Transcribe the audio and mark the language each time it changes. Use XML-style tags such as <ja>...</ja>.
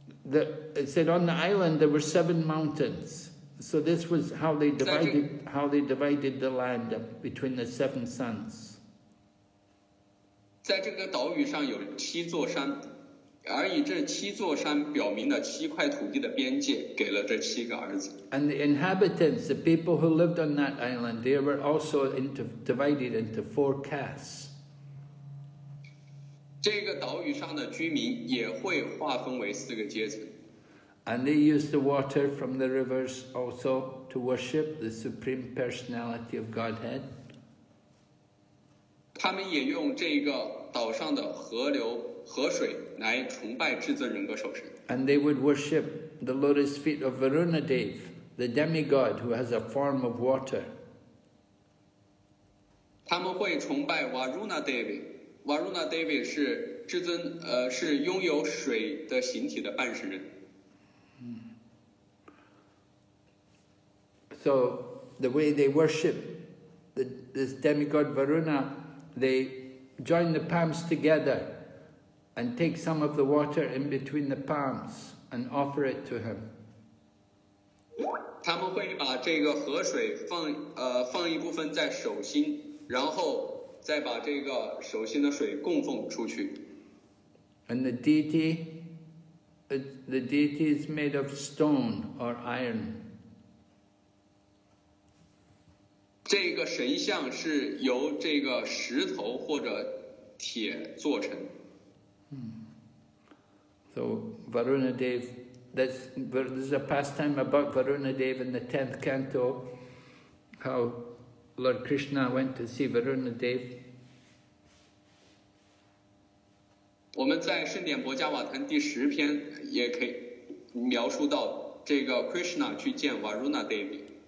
<en>the, it said on the island there were seven mountains. So this was how they divided the land between the seven sons.</en> <zh>在这个岛屿上有七座山，而以这七座山表明了七块土地的边界，给了这七个儿子。</zh> <en>And the inhabitants, the people who lived on that island, they were also divided into four castes.</en> <zh>这个岛屿上的居民也会划分为四个阶层。</zh> <en>And they used the water from the rivers also to worship the Supreme Personality of Godhead.</en> <zh>他们也用这个岛上的河流河水来崇拜至尊人格首神。</zh> <en>And they would worship the lotus feet of Varunadev, the demigod who has a form of water.</en> <zh>他们会崇拜 Varunadev, Varunadev 是至尊，是拥有水的形体的半神人。</zh> <en>So the way they worship this demigod Varuna, they join the palms together and take some of the water in between the palms and offer it to him.</en> <zh>他们会把这个河水放一部分在手心，然后再把这个手心的水供奉出去。</zh> <en>And the deity is made of stone or iron.</en> <zh>这个神像是由这个石头或者铁做成。</zh> <en>So Varunadev, there's a pastime about Varunadev in the 10th canto, how Lord Krishna went to see Varunadev.</en> <zh>我们在圣典博迦瓦坛第十篇也可以描述到这个 Krishna 去见 Varunadev。</zh>